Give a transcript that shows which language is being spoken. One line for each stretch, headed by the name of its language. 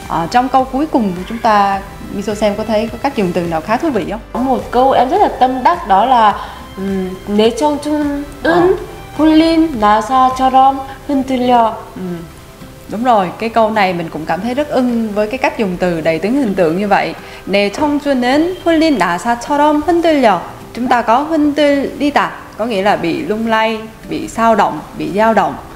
Vietnamese: Trong câu cuối cùng của chúng ta, Miso xem có thấy có cách dùng từ nào khá thú vị không? Có một câu em rất là tâm đắc đó là
Korean: 내 청춘은 훌린 나사처럼 흔들려.
Vietnamese: Đúng rồi, cái câu này mình cũng cảm thấy rất ưng với cái cách dùng từ đầy tính hình tượng như vậy.
Korean: 내 청춘은 훌린 나사처럼 흔들려.
Vietnamese: Chúng ta có 흔들리다, có nghĩa là bị lung lay, bị sao động, bị dao động.